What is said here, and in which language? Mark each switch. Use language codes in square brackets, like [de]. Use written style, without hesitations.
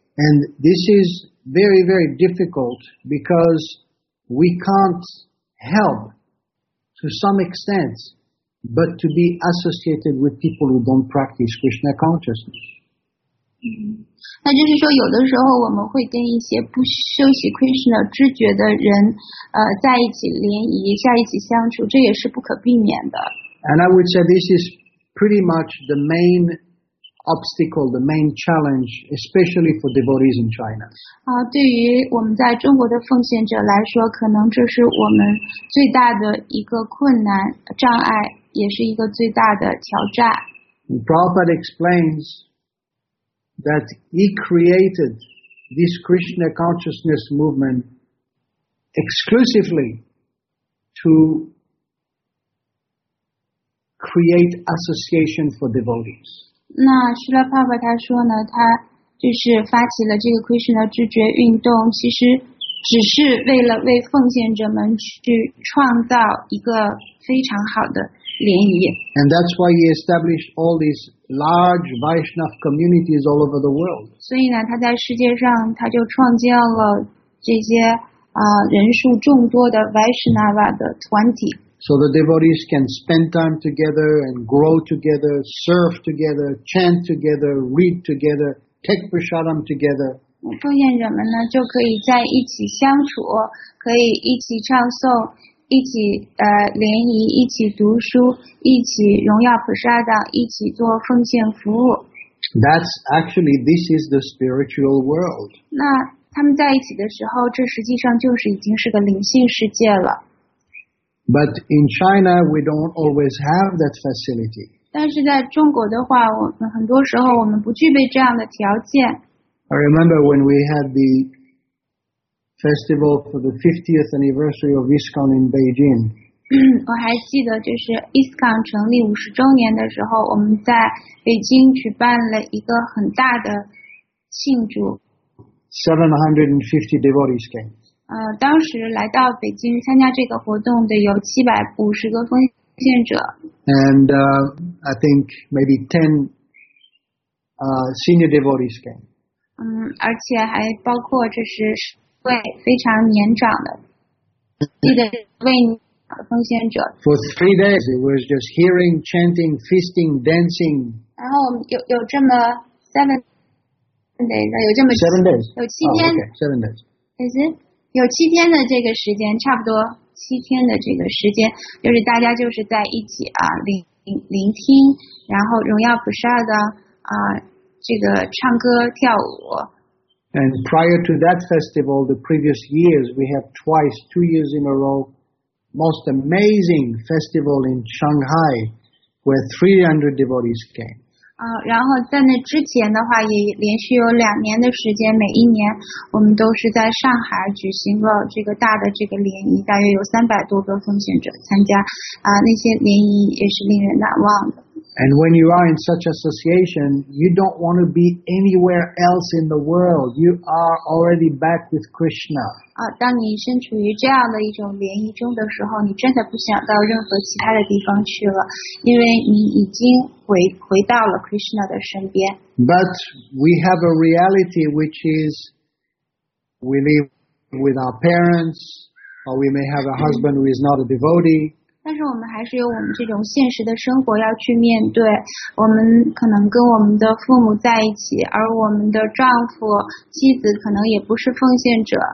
[en] And this is very, very difficult because we can't help to some extent, but to be associated with people who don't practice Krishna consciousness. [zh] 那就是说有的时候我们会跟一些不修习 Krishna 知觉的人在一起联谊在一起相处这也是不可避免的 [en] And I would say this is pretty much the main obstacle the main challenge especially for devotees in China [zh] 对于我们在中国的奉献者来说可能这是我们最大的一个困难障碍也是一个最大的挑战 [en] Prabhupada explainsthat he created this Krishna consciousness movement exclusively to create association for devotees. [zh] 那 Srila Prabhupada 他说呢他就是发起了这个 Krishna 知觉运动其实只是为了为奉献者们去创造一个非常好的联谊。 [en] And that's why he established all these large Vaishnav communities all over the world. [zh] 所以呢，他在世界上他就创建了这些人数众多的 Vaishnava 的团体。 [en] So the devotees can spend time together and grow together, serve together, chant together, read together, take prasadam together. [zh] 奉献者们呢就可以在一起相处，可以一起唱诵，一起联谊，一起读书，一起荣耀普沙道，一起做奉献服务。 [en] That's actually this is the spiritual world. [zh] 那他们在一起的时候，这实际上就是已经是个灵性世界了。 [en] But in China, we don't always have that facility. [zh] 但是在中国的话，我们很多时候我们不具备这样的条件。 [en] I remember when we had the festival for the 50th anniversary of ISKCON in Beijing. [zh] 我还记得就是 ISKCON 成立50周年的时候我们在北京举办了一个很大的庆祝。 [en] 750 devotees came. [zh] 当时来到北京参加这个活动的有750个奉献者。 [en] And I think maybe 10 senior devotees came. [zh] 而且还包括这是位非常年长的记得为奉献者 [en] For 3 days it was just hearing, chanting, feasting, dancing [zh] 然后有这么 7天 有七天的这个时间差不多七天的这个时间就是大家就是在一起聆听然后荣耀普沙的这个唱歌跳舞 [en] And prior to that festival, the previous years, we have twice, 2 years in a row, most amazing festival in Shanghai, where 300 devotees came. [zh] 然后在那之前的话也连续有两年的时间每一年我们都是在上海举行了这个大的这个联谊大约有300多个奉献者参加那些联谊也是令人难忘的。 [en] And when you are in such association, you don't want to be anywhere else in the world. You are already back with Krishna. [zh] 当你身处于这样的一种联谊中的时候，你真的不想到任何其他的地方去了，因为你已经回到了 Krishna 的身边。 [en] But we have a reality which is we live with our parents, or we may have a husband who is not a devotee. [zh] 但是我们还是有我们这种现实的生活要去面对我们可能跟我们的父母在一起而我们的丈夫妻子可能也不是奉献者